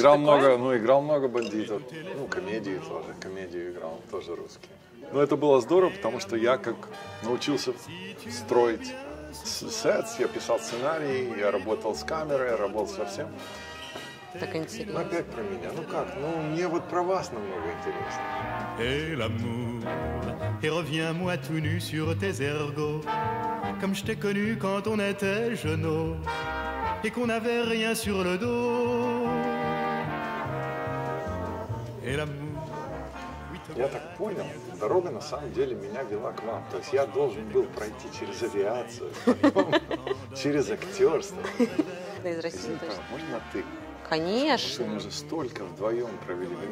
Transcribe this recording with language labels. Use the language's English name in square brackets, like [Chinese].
[Russian] играл много, ну, играл много бандитов, ну, комедии тоже, комедию играл, тоже русские. Но это было здорово, потому что я как научился строить сет, я писал сценарий, я работал с камерой, я работал со всем. Так интересно. Ну, опять про меня. Ну как? Ну, мне вот про вас намного интересно. [French] Et l'amour, et reviens-moi tout nu sur tes ergots, comme je t'ai connu quand on était jeunes, et qu'on n'avait rien sur le dos. Et l'amour. [Russian] Я так понял, дорога на самом деле меня вела к вам. То есть я должен был пройти через авиацию, через актерство. Из России тоже. Можно ты? Конечно. Мы же столько вдвоем провели.